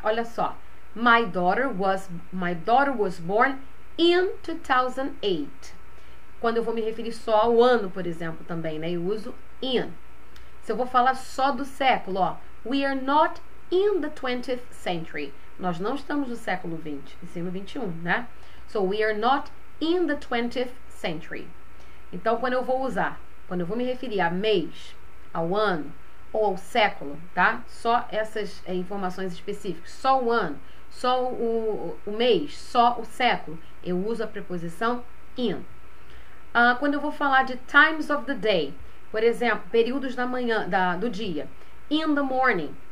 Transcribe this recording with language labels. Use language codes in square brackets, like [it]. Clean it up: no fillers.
[pt] Olha só, [en] my daughter was born in 2008. [pt] Quando eu vou me referir só ao ano, por exemplo, também, né? Eu uso in. Se eu vou falar só do século, ó, [en] we are not in the 20th century. [pt] Nós não estamos no século 20, e sim no 21, né? [en] So, we are not in the 20th century. [pt] Então, quando eu vou usar, quando eu vou me referir a mês, ao ano ou ao século, tá? Só essas informações específicas, só o ano, só o mês, só o século, eu uso a preposição in. Quando eu vou falar de [en] times of the day, [pt] por exemplo, períodos da manhã, do dia, [en] in the morning,